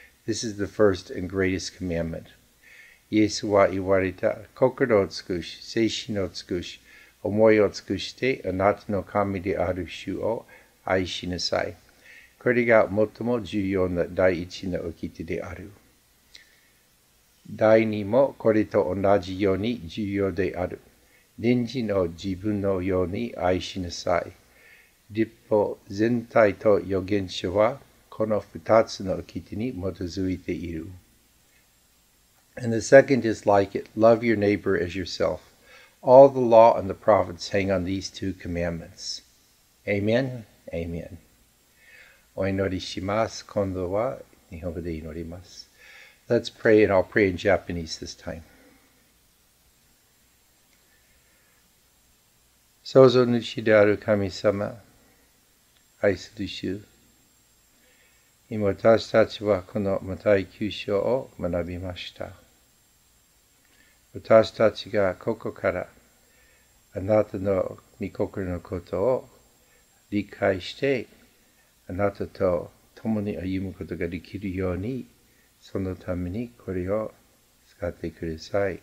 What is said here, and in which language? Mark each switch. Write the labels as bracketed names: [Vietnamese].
[English] This is the first and greatest commandment. [Japanese] イエスは言われた、心を尽くし、精神を尽くし、思いを尽くして、あなたの神である主を愛しなさい。これが最も重要な第一の掟である。第二もこれと同じように重要である。隣人を自分のように愛しなさい。律法全体と預言書はこの二つの掟に基づいている。 [English] And the second is like it, love your neighbor as yourself. All the law and the prophets hang on these two commandments. Amen. Amen. [Japanese] お祈りします。今度は日本語で祈ります。 [English] Let's pray and I'll pray in Japanese this time. [Japanese] 創造主である神様、愛する主、今私たちはこのマタイ9章を学びました。私たちがここからあなたの御心のことを理解して、あなたと共に歩むことができるように、そのためにこれを使ってください。